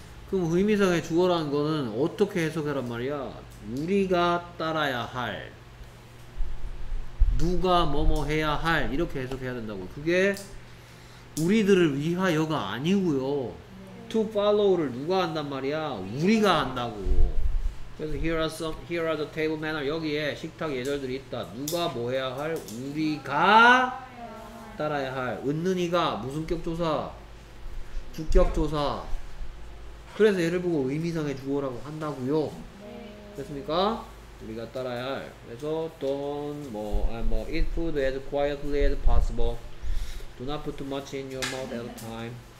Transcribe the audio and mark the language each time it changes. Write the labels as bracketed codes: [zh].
[ko] 그럼 의미상의 주어라는 거는 어떻게 해석해란 말이야? 우리가 따라야 할. 누가 뭐뭐 해야 할. 이렇게 해석해야 된다고. 그게 우리들을 위하여가 아니고요. 네. [en] To follow [ko] 를 누가 한단 말이야? 우리가 한다고. [en] 그래서 here are some, here are the table manners. [ko] 여기에 식탁 예절들이 있다. 누가 뭐 해야 할? 우리가 따라야 할. 은는 이가 무슨 격조사? 주격조사. 그래서 예를 보고 의미상의 주어라고 한다고요. 네. 됐습니까? 우리가 따라야 할. [en] 그래서 don't 뭐, eat food as quietly as possible. Do not put too much in your mouth at a time.